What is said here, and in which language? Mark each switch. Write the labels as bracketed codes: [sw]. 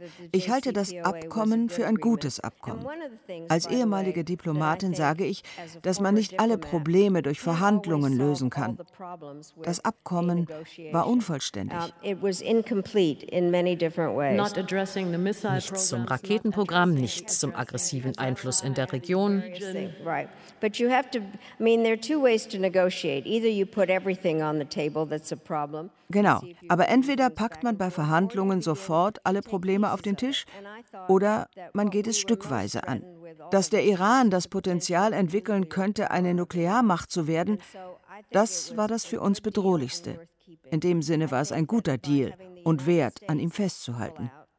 [de] Ich halte das Abkommen für ein gutes Abkommen. Als ehemalige Diplomatin sage ich, dass man nicht alle Probleme durch Verhandlungen lösen kann. Das Abkommen war unvollständig. Nichts zum Raketenprogramm, nichts zum aggressiven Einfluss in der Region. [en] But you have to, there are two ways to negotiate. Either you put everything on the table that's a problem. [de] Genau, aber entweder packt man bei Verhandlungen sofort alle Probleme auf den Tisch oder man geht es stückweise an. Dass der Iran das Potenzial entwickeln könnte, eine Nuklearmacht zu werden, das war das für uns Bedrohlichste. In dem Sinne war es ein guter Deal und wert, an ihm festzuhalten.